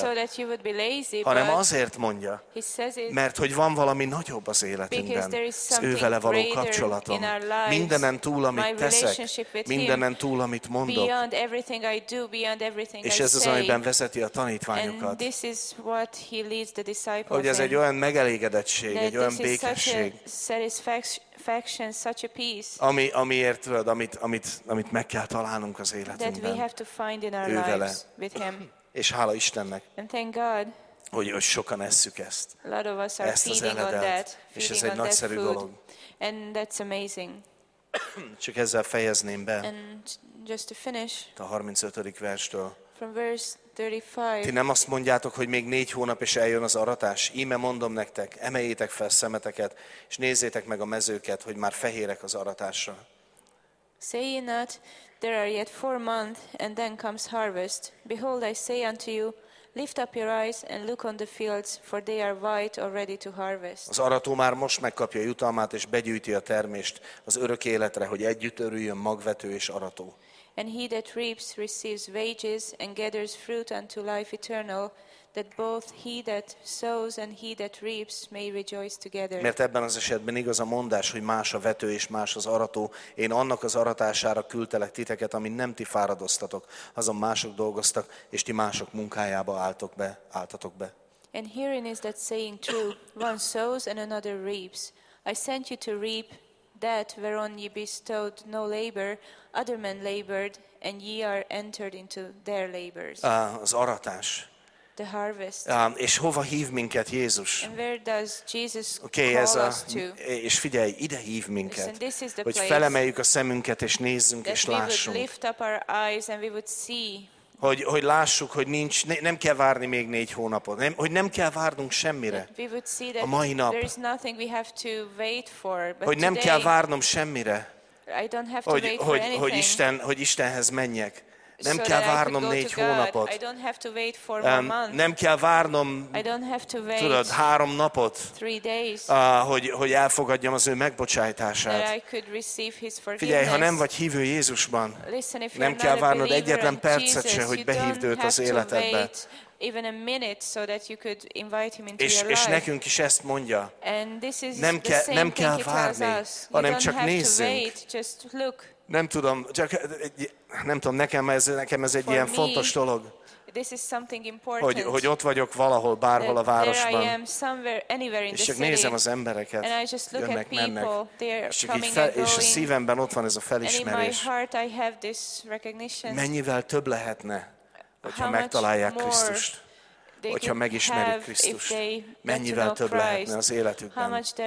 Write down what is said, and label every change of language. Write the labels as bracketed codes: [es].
[en] So that you would be lazy, [hu] hanem azért mondja, [en] he says it, [hu] mert hogy van valami nagyobb az életünkben, [en] because [hu] az ővele való kapcsolatom. Mindenen túl, amit teszek, mindenen túl, amit mondok. [en] Beyond everything I do, beyond everything [hu] és [en] I [hu] ez az, amiben vezeti a tanítványokat. [en] And this is what he leads the disciples [hu] hogy ez egy olyan megelégedettség, egy olyan békesség. [en] Affection, such a peace, [hu] amiért tudod, amit meg kell találnunk az életünkben. [en] That we have to find in our lives with him. [hu] És hála Istennek. [en] And thank God. [hu] Hogy sokan esszük ezt. [en] A lot of us are feeding [hu] eledelt, [en] on that. [hu] És ez egy nagyszerű dolog. [en] And that's amazing. [hu] Csak ezzel fejezném be. [en] And just to finish. [hu] A 35. verstől. [en] From verse 35. [hu] Ti nem azt mondjátok, hogy még 4 hónap és eljön az aratás? Íme mondom nektek, emeljétek fel szemeteket, és nézzétek meg a mezőket, hogy már fehérek az aratásra. [en] Say ye not, there are yet 4 months, and then comes harvest. Behold, I say unto you, lift up your eyes and look on the fields, for they are white or ready to harvest. [hu] Az arató már most megkapja jutalmát, és begyűjti a termést az örök életre, hogy együtt örüljön magvető és arató. [en] And he that reaps receives wages and gathers fruit unto life eternal, that both he that sows and he that reaps may rejoice together. [hu] Mert ebben az esetben igaz a mondás, hogy más a vető és más az arató. Én annak az aratására küldtelek titeket, amin nem ti fáradoztatok, azon mások dolgoztak, és ti mások munkájába álltatok be. [en] And herein is that saying true, one sows and another reaps. I sent you to reap that whereon ye bestowed no labor, other men labored, and ye are entered into their labors. [hu] Az aratás. [en] the harvest. [hu] És hova hív minket Jézus? [en] And where does Jesus okay, call a, us to? [hu] És figyelj, ide hív minket, hogy felemeljük a szemünket és nézzünk és lássunk. [en] That we would lift up our eyes and we would see. [hu] Hogy lássuk, hogy nincs, nem kell várni még 4 hónapot, hogy nem kell várnunk semmire a mai nap. [en] There is nothing we have to wait for, but [hu] hogy [en] today, [hu] nem kell várnom semmire, [en] I don't have to [hu] hogy, [en] wait [hu] hogy, [en] for [hu] hogy, Isten, hogy Istenhez menjek. Nem kell várnom 4 hónapot. [en] I don't have to wait for 1 month. [hu] Nem kell várnom, [en] I don't have to wait, [hu] tudod, 3 napot, [en] 3 days, [hu] hogy elfogadjam az ő megbocsátását. [en] That I could receive his forgiveness. [hu] Figyelj, ha nem vagy hívő Jézusban, [en] listen, if [hu] nem kell várnod egyetlen percet [en] Jesus, [hu] se, hogy behívd őt az életedbe. [en] Even a minute so that you could invite him into your life. [hu] És nekünk is ezt mondja. [en] And this is [hu] nem [en] the same [hu] nem kell várni, hanem csak nézzünk. [en] Wait, just look. [hu] Nem tudom, csak nem tudom, nekem ez egy [en] for [hu] ilyen [en] me, [hu] fontos dolog. [en] This is something important. [hu] Hogy ott vagyok valahol, bárhol [en] that [hu] a városban. [en] There I am somewhere, anywhere in [hu] és [en] the [hu] csak nézem az embereket. [en] And I just look [hu] jönnek, [en] at people, [hu] mennek. [en] They're coming [hu] fel, [en] and going. [hu] És a szívemben ott van ez a felismerés. [en] And in my heart I have this recognition. [hu] Mennyivel több lehetne, hogyha megtalálják Krisztust, hogyha megismerik Krisztust, mennyivel több lehetne az életükben.